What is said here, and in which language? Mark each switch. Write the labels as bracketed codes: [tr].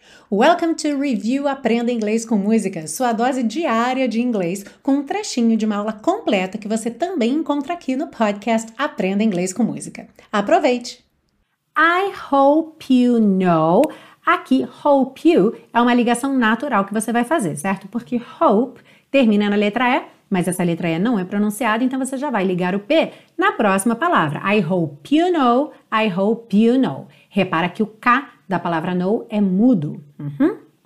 [pt] Welcome to Review Aprenda Inglês com Música, sua dose diária de inglês, com um trechinho de uma aula completa que você também encontra aqui no podcast Aprenda Inglês com Música. Aproveite! [en] I hope you know. [pt] Aqui, [en] hope you [pt] é uma ligação natural que você vai fazer, certo? Porque hope termina na letra E, mas essa letra E não é pronunciada, então você já vai ligar o P na próxima palavra. [en] I hope you know, I hope you know. [pt] Repara que o K da palavra know é mudo. Uhum.